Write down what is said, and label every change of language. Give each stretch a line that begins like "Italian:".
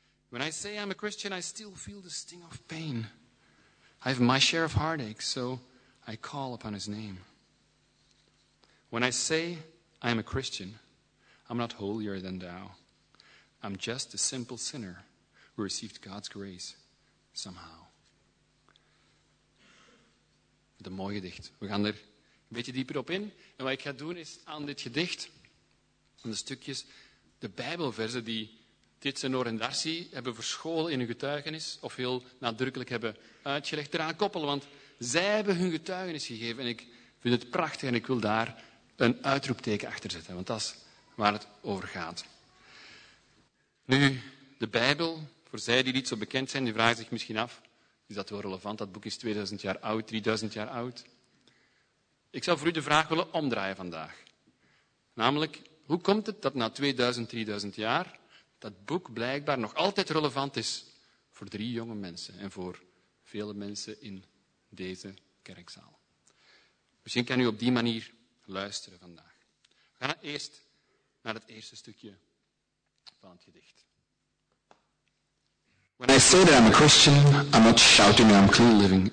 English: When I say I'm a Christian, I still feel the sting of pain. I have my share of heartache, so I call upon his name. When I say I am a Christian, I'm not holier than thou. I'm just a simple sinner who received God's grace somehow.
Dutch: De mooie dicht. We gaan er een beetje dieper op in. En wat ik ga doen is aan dit gedicht, aan de stukjes, de Bijbelverzen die Titse, Noor en Darcy hebben verscholen in hun getuigenis, of heel nadrukkelijk hebben uitgelegd, eraan koppelen. Want zij hebben hun getuigenis gegeven en ik vind het prachtig en ik wil daar een uitroepteken achter zetten. Want dat is waar het over gaat. Nu, de Bijbel, voor zij die niet zo bekend zijn, die vragen zich misschien af, is dat wel relevant? Dat boek is 2000 jaar oud, 3000 jaar oud. Ik zou voor u de vraag willen omdraaien vandaag. Namelijk, hoe komt het dat na 2000, 3000 jaar dat boek blijkbaar nog altijd relevant is voor drie jonge mensen en voor vele mensen in deze kerkzaal? Misschien kan u op die manier luisteren vandaag. We gaan eerst naar het eerste stukje van het gedicht.
English: When I say that I'm a Christian, I'm not shouting that I'm clean living.